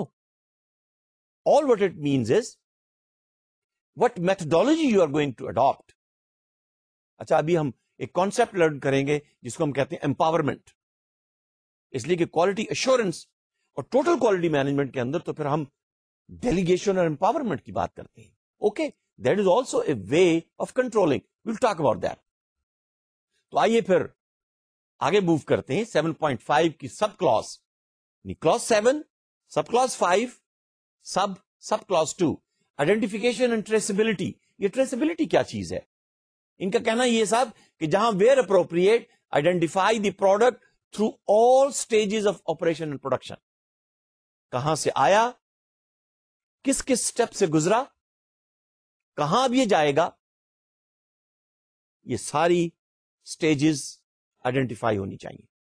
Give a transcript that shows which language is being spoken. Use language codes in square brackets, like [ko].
[en] All what it means is what methodology you are going to adapt. [ur] اچھا ابھی ہم ایک کانسپٹ لرن کریں گے جس کو ہم کہتے ہیں امپاورمنٹ. اس لیے کہ کوالٹی ایشورنس اور ٹوٹل کوالٹی مینجمنٹ کے اندر تو پھر ہم ڈیلیگیشن اور امپاورمنٹ کی بات کرتے ہیں. [en] Okay, that is also a way of controlling, we'll talk about that. [ur] تو آئیے پھر آگے موو کرتے ہیں 7.5 کی sub class, class 7، sub class 5، sub class 2، identification and traceability. یہ ٹریسبلٹی کیا چیز ہے؟ ان کا کہنا یہ صاحب کہ جہاں where appropriate identify the product through all stages of operation and production, کہاں سے آیا، کس کس اسٹیپ سے گزرا، کہاں اب یہ جائے گا، یہ ساری اسٹیجز آئیڈینٹیفائی ہونی چاہیے.